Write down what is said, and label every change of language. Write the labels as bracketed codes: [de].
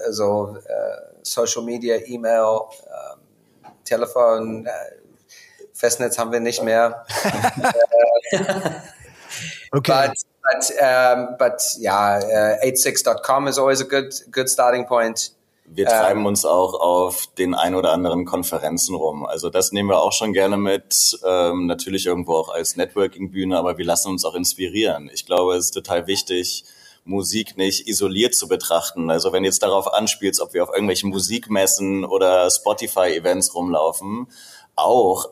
[de] Also Social Media, E-Mail, Telefon, Festnetz haben wir nicht mehr. Okay. [en] But 86.com is always a good starting point. [de] Wir treiben uns auch auf den ein oder anderen Konferenzen rum. Also das nehmen wir auch schon gerne mit. Natürlich irgendwo auch als Networking-Bühne, aber wir lassen uns auch inspirieren. Ich glaube, es ist total wichtig, Musik nicht isoliert zu betrachten. Also wenn jetzt darauf anspielst, ob wir auf irgendwelchen Musikmessen oder Spotify-Events rumlaufen, auch.